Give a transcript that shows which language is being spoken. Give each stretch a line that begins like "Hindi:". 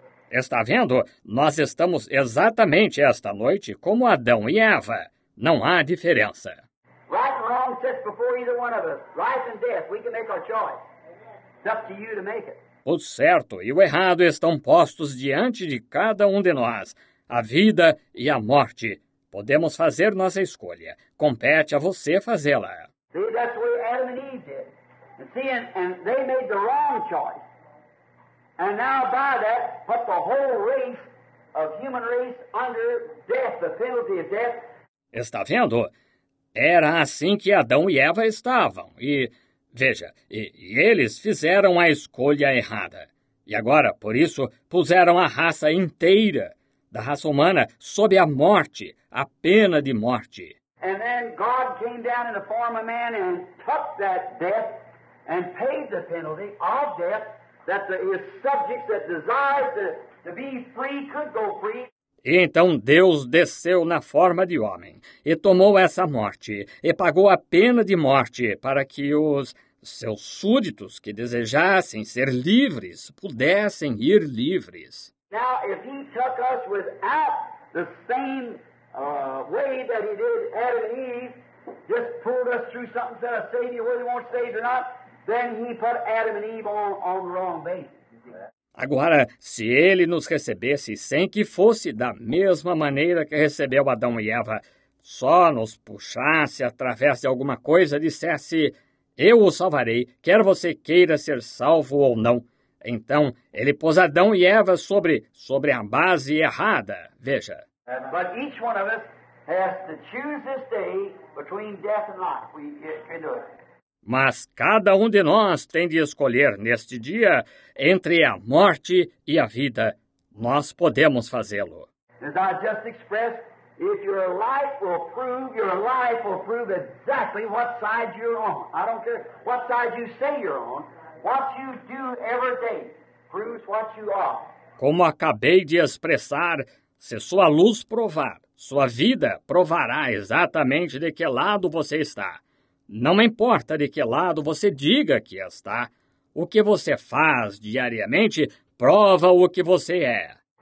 Portuguese: Está vendo? Nós estamos exatamente esta noite como Adão e Eva. Não há diferença.
English: Right and wrong sits before either one of us. Life and death, we can make our choice. It's up to you to make it.
Portuguese: O certo e o errado estão postos diante de cada um de nós. A vida e a morte. Podemos fazer nossa escolha. Compete a você fazê-la.
English: See, that's what Adam and Eve did. And see, and they made the wrong choice. And now by that, put the whole race of human race under death, the penalty of death.
Portuguese: Está vendo? Era assim que Adão e Eva estavam. E, veja, e eles fizeram a escolha errada. E agora, por isso, puseram a raça inteira da raça humana sob a morte, a pena de morte.
English: And then God came down in the form of man and took that death and paid the penalty of death that the subjects that desired to be free could go free.
Portuguese: E então Deus desceu na forma de homem e tomou essa morte e pagou a pena de morte para que os seus súditos que desejassem ser livres pudessem ir livres.
English: Now, if he took us without the same way that he did Adam and Eve, just pulled us through something, said, I'll save you, whether you want to save or not, then he put Adam and Eve on the wrong base.
Portuguese: Agora, se ele nos recebesse sem que fosse da mesma maneira que recebeu Adão e Eva, só nos puxasse através de alguma coisa, dissesse, eu o salvarei, quer você queira ser salvo ou não. Então, ele pôs Adão e Eva sobre a base errada. Veja.
English: But each one of us has to choose this day between death and life. We can do it.
Portuguese: Mas cada um de nós tem de escolher neste dia entre a morte e a vida. Nós podemos fazê-lo.
English: As I just expressed, if your life will prove, exactly what side you're on. I don't care what side you say you're on. What you do every day proves what you are.
Portuguese: Como acabei de expressar, se sua luz provar, sua vida provará exatamente de que lado você está. Não importa de que lado você diga que está, o que você faz diariamente prova o que você é.